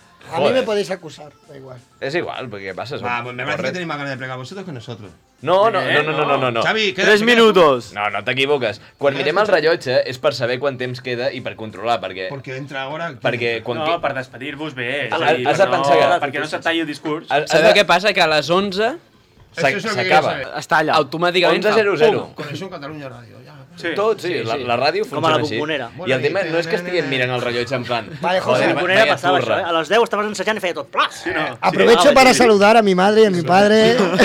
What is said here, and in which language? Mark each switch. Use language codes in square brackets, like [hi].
[es] A mí me podéis acusar, da igual. Es igual, porque pasa eso. Ah, pues me parece que tenéis más ganas de plegar vosotros que nosotros. No. Xavi, tres minutos. [ca] No t'equivoques. Quan mirem el rellotge és per saber quant temps queda i per controlar, perquè... [es] Porque entra ahora... [ca] Perquè quan... No, per despedir-vos bé. Has de pensar que... Perquè no se't talli el discurs. Sabeu què passa? Que a les 11... S'acaba. Està allà. Automàticament. 11:00. Coneixo en Catalunya Ràdio, ja. Sí. Tot, sí. La ràdio funciona així. Com a la Bombonera. I el tema no és que estiguem mirant el rellotge en plan... Vale, José. La Bombonera passava això, eh? A les 10 estaves ensenyant i feia tot plas. Sí, no. [es] Aprovecho para saludar a mi madre y a mi padre.